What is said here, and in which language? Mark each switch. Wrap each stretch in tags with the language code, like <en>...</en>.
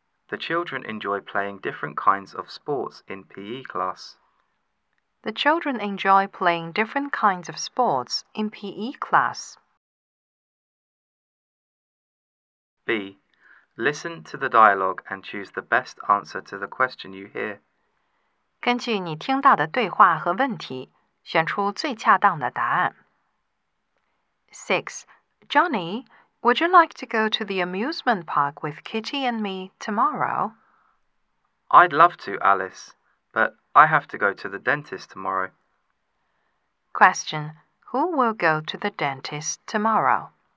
<en>The children enjoy playing different kinds of sports in PE class. The children enjoy playing different kinds of sports in PE class. B. Listen to the dialogue and choose the best answer to the question you hear.</en> <zh>根据你听到的对话和问题，选出最恰当的答案。</zh> <en>6. Johnny,Would you like to go to the amusement park with Kitty and me tomorrow? I'd love to, Alice, but I have to go to the dentist tomorrow. Question, who will go to the dentist tomorrow?</en>